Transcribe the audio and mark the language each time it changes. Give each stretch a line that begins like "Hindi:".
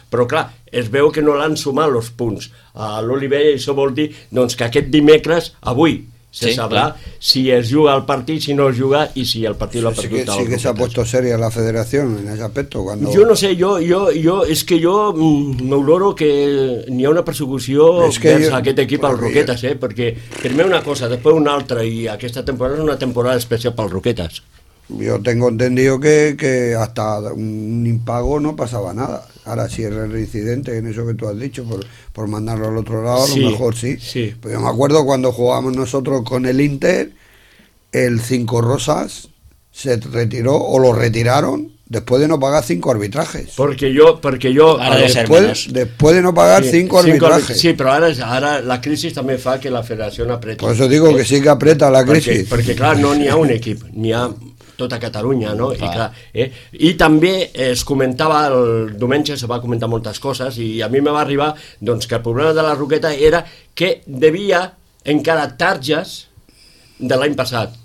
Catalan: Però clar, es veu que no l'han sumat els punts a l'Olivella, i això vol dir doncs, que aquest dimecres, avui, se sabrà si es juga el partit, si no es juga i si el partit l'ha perdut. Sí que s'ha posat seria la federació en aquest aspecte.
Spanish: Cuando...
Catalan: Jo no sé, jo és que jo m'oloro que n'hi ha una persecució vers aquest equip al Roquetes, perquè primer una cosa, després una altra, i aquesta temporada és una temporada especial pel Roquetes.
Spanish: Yo tengo entendido que hasta un impago no pasaba nada. Ahora, si es el incidente en eso que tú has dicho, por mandarlo al otro lado, a lo mejor sí. Sí. Pues yo me acuerdo cuando jugábamos nosotros con el Inter, el 5 Rosas se retiró o lo retiraron después de no pagar 5 arbitrajes. Porque yo después de no pagar 5 arbitrajes. Sí, pero ahora la crisis también
Catalan: fa que
Spanish: la federación apriete. Por eso digo que sí que aprieta la crisis. Porque claro, no ni a un equipo, ni a...
Catalan: tota Catalunya,
Spanish: no?
Catalan: I, clar, i també es comentava el diumenge, se va comentar moltes coses i a mi me va arribar doncs, que el problema de la Roqueta era que devia encara targes de l'any passat.